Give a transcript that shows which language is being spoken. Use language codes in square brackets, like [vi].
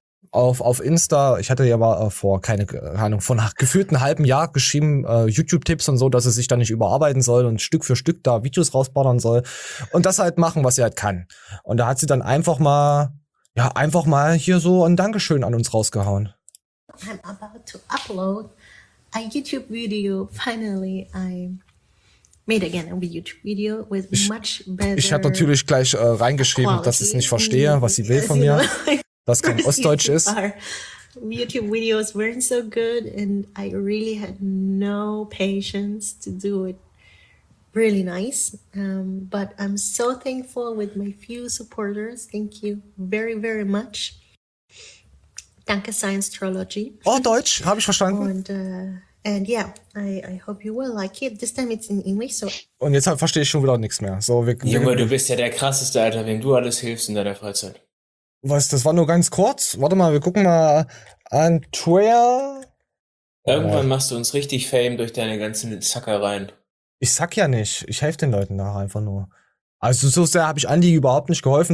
[de] Auf Insta, ich hatte ja mal vor, keine Ahnung, vor einem gefühlten halben Jahr geschrieben, YouTube-Tipps und so, dass sie sich da nicht überarbeiten soll und Stück für Stück da Videos rausballern soll und das halt machen, was sie halt kann. Und da hat sie dann einfach mal, ja, einfach mal hier so ein Dankeschön an uns rausgehauen. [en] I'm about to upload a YouTube video. Finally, made again a YouTube video with much better. [de] Ich habe natürlich gleich reingeschrieben, quality, dass ich nicht verstehe, was sie will von mir. Dass kein Ostdeutsch ist. [en] YouTube videos weren't so good and I really had no patience to do it really nice. But I'm so thankful with my few supporters. Thank you very, very much. Danke, Science Trology. [de] Oh, Deutsch, habe ich verstanden. [en] And yeah, I hope you will like it. This time it's in English, so. [de] Und jetzt verstehe ich schon wieder nichts mehr. So, Junge, du bist ja der krasseste, Alter, wem du alles hilfst in deiner Freizeit. Was, das war nur ganz kurz? Warte mal, wir gucken mal an Twitter. Irgendwann machst du uns richtig Fame durch deine ganzen Sackereien. Ich sack ja nicht, ich helfe den Leuten da einfach nur. Also so sehr habe ich Andi überhaupt nicht geholfen.